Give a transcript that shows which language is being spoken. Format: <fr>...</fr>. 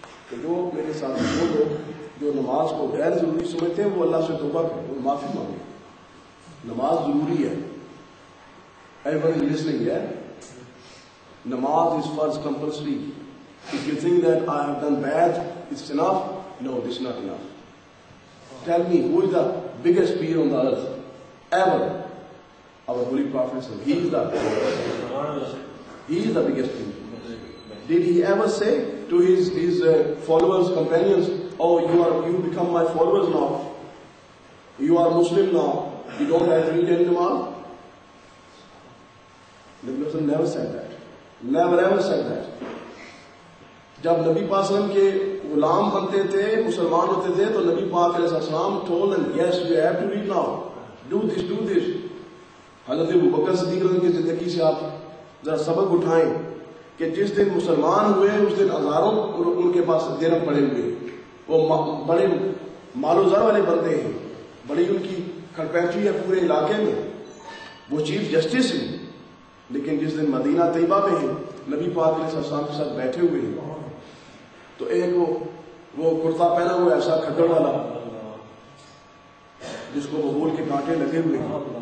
<ur>کہ جو میرے ساتھ وہ لوگ جو نماز کو غیر ضروری سمجھتے ہیں وہ اللہ سے توبہ کرے اور معافی مانگے, نماز ضروری ہے, ایوری ون لس نہیں ہے,</ur> <en>نماز از فرض compulsory, if you think that I have done bad it's enough, no it's not enough, tell me who is the biggest peer on the earth ever, our holy prophet said he is the biggest. He is the biggest peer. Did he ever say to his followers, companions, oh you become my followers now, you are Muslim now, you don't have to read any namaz? Nabi Muhammad never said that, never ever said that.</en> <ur>جب نبی پاک صلی اللہ علیہ وسلم کے غلام بنتے تھے مسلمان ہوتے تھے تو نبی پاک علیہ السلام</ur> <en>told them yes you have to read now, do this.</en> <ur>حضرت ابوبکر صدیق کی زندگی سے آپ ذرا سبق اٹھائیں کہ جس دن مسلمان ہوئے اس دن ہزاروں ان کے پاس درہم پڑے ہوئے, وہ بڑے مال و زر والے بنتے ہیں, بڑی ان کی کھڑپینچی ہے پورے علاقے میں, وہ چیف جسٹس ہیں, لیکن جس دن مدینہ طیبہ میں ہیں نبی پاک علیہ السلام کے ساتھ بیٹھے ہوئے ہیں تو ایک وہ کرتا پہنا ہوا ایسا کھگڑ والا جس کو بہول کے کانٹے لگے ہوئے ہیں,</ur>